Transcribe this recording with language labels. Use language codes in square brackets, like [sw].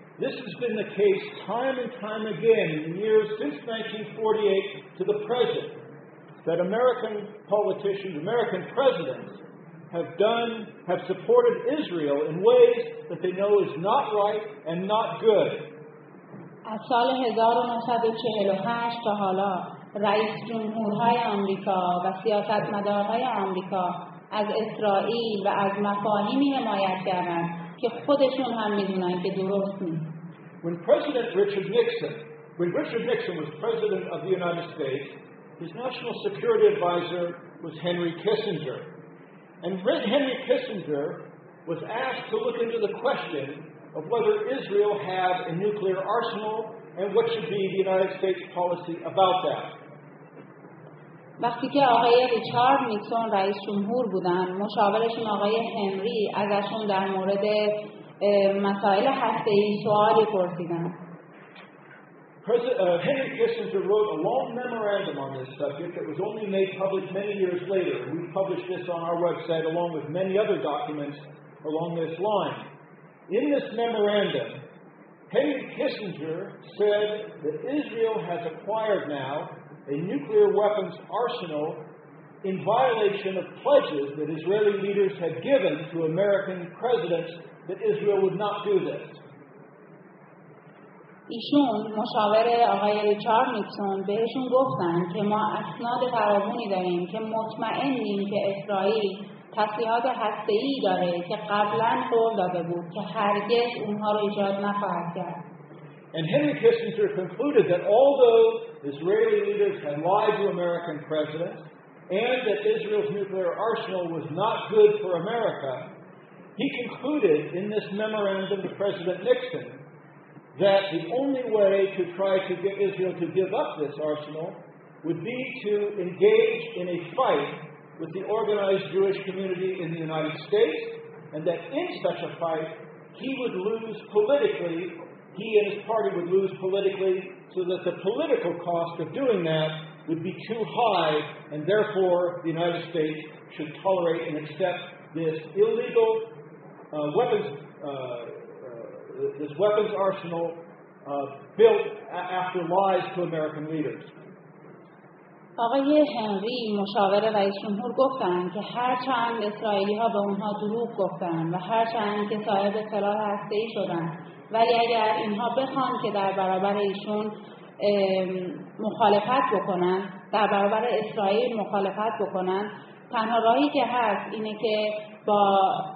[en] This has been the case time and time again in the years since 1948 to the present that American politicians, American presidents have supported Israel in ways that they know is not right and not good. [fa] از سال 1948 تا حالا رئیس جمهورهای آمریکا و سیاستمدارهای آمریکا از اسرائیل و از مفاهیمی حمایت کردند که خودشون هم میدونن که درست نیست. [en] When President Richard Nixon, was president of the United States, his national security advisor was Henry Kissinger. And Henry Kissinger was asked to look into the question of whether Israel had a nuclear arsenal and what should be the United States policy about that. [fa] وقتی که آقای ریچارد نیکسون رئیس جمهور بودن، مشاورشون آقای هنری ازشون در مورد مسائل هسته‌ای سوالی پرسیدن. [en] Henry Kissinger wrote a long memorandum on this subject that was only made public many years later. We published this on our website along with many other documents along this line. In this memorandum, Henry Kissinger said that Israel has acquired now a nuclear weapons arsenal in violation of pledges that Israeli leaders had given to American presidents that Israel would not do this. [fa] ایشون مشاور آقای ریچارد نیکسون بهشون گفتن که ما اسناد فراوانی داریم که مطمئنیم که اسرائیل تسلیحات هسته‌ای داره که قبلاً قول داده بود که هرگز اونها رو ایجاد نخواهد کرد. [en] And Henry Kissinger concluded that although Israeli leaders had lied to American presidents and that Israel's nuclear arsenal was not good for America, he concluded in this memorandum to President Nixon that the only way to try to get Israel to give up this arsenal would be to engage in a fight with the organized Jewish community in the United States, and that in such a fight, he would lose politically. He and his party would lose politically, so that the political cost of doing that would be too high, and therefore the United States should tolerate and accept this illegal weapons arsenal built after lies to American leaders. [fa] آقای هنری مشاور رئیس جمهور گفتند که هرچند اسرائیلی ها به اونها دروغ گفتند و هرچند که صاحب سلاح هسته‌ای شدند، ولی اگر اینها بخوان که در برابر ایشون مخالفت بکنند، در برابر اسرائیل مخالفت بکنند، تنها راهی که هست اینه که با